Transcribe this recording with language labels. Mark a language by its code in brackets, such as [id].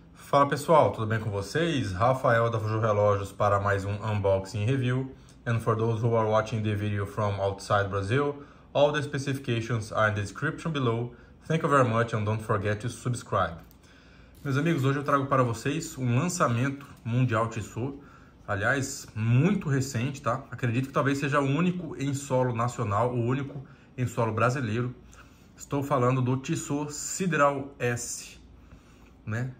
[pt] Fala pessoal, tudo bem com vocês? Rafael da Fujo Relógios para mais um unboxing review. [en] And for those who are watching the video from outside Brazil, all the specifications are in the description below. Thank you very much and don't forget to subscribe. [pt] Meus amigos, hoje eu trago para vocês um lançamento mundial Tissot. Aliás, muito recente, tá? Acredito que talvez seja o único em solo nacional, o único em solo brasileiro. Estou falando do Tissot Sidral S. Né?